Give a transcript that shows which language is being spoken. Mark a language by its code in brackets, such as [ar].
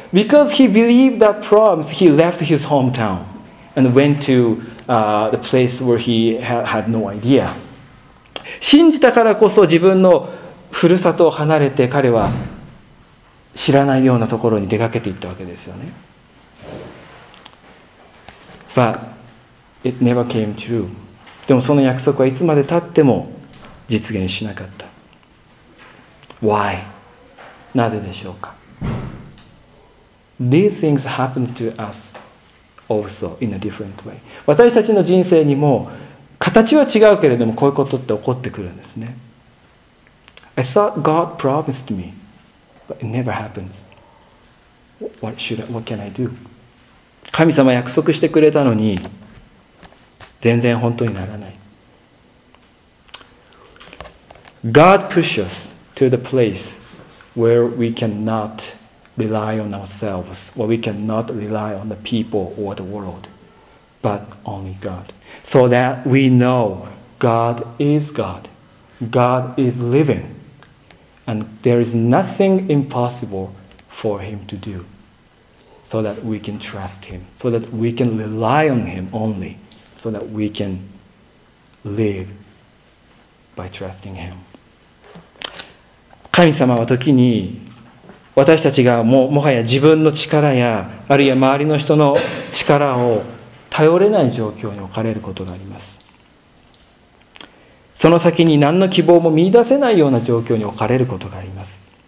[en] Because he believed that promise, he left his hometown and went to the place where he had no idea. [ja] 信じたからこそ自分のふるさとを離れて彼は知らないようなところに出かけていったわけですよね。 [en] But it never came true. [ja] でもその約束はいつまで経っても実現しなかった。 [en] Why? [ja] なぜでしょうか。 [en] These things happen to us also in a different way. [ja] 私たちの人生にも形は違うけれどもこういうことって起こってくるんですね。 [en] I thought God promised me, but it never happens. What can I do? [ja] 神様約束してくれたのに全然本当にならない。 [en] God pushes us to the place where we cannot rely on ourselves, where we cannot rely on the people or the world, but only God, so that we know God is God, God is living, and there is nothing impossible for Him to do. So that we can trust him, so that we can rely on him only, so that we can live by trusting him. [ja] 神様は時に私たちが もはや自分の力やあるいは周りの人の力を頼れない状況に置かれることがあります。その先に何の希望も見出せないような状況に置かれることがあります。